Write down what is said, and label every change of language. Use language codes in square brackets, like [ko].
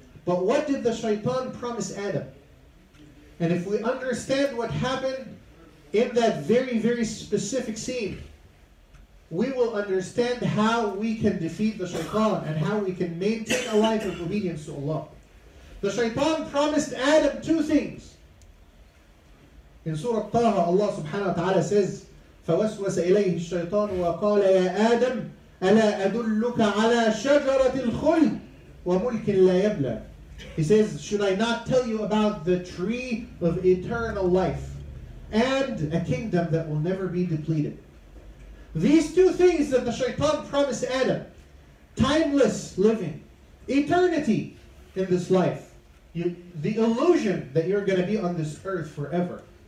[en] But what did the shaitan promise Adam? And if we understand what happened in that very, very specific scene, we will understand how we can defeat the shaitan and how we can maintain a life of obedience to Allah. The shaitan promised Adam two things. In Surah Taha, Allah subhanahu wa ta'ala says, [ar] فَوَسْوَسَ إِلَيْهِ الشَّيْطَانُ وَقَالَ يَا آدَمْ أَلَا أَدُلُّكَ عَلَى شَجَرَةِ الْخُلْدِ وَمُلْكٍ لَا يَبْلَى. [en] He says, should I not tell you about the tree of eternal life and a kingdom that will never be depleted? These two things that the shaitan promised Adam, timeless living, eternity in this life, the illusion that you're going to be on this earth forever.